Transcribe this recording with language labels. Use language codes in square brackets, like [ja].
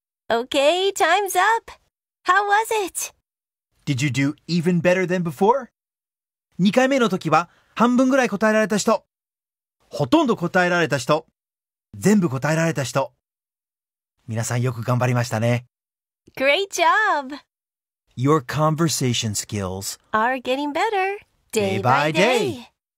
[en] Okay, time's up. How was it? Did you do even better than before? [ja] 2回目の時は半分ぐらい答えられた人、ほとんど答えられた人、全部答えられた人、皆さんよく頑張りましたね。 [en] Great job! Your conversation skills are getting better day by day.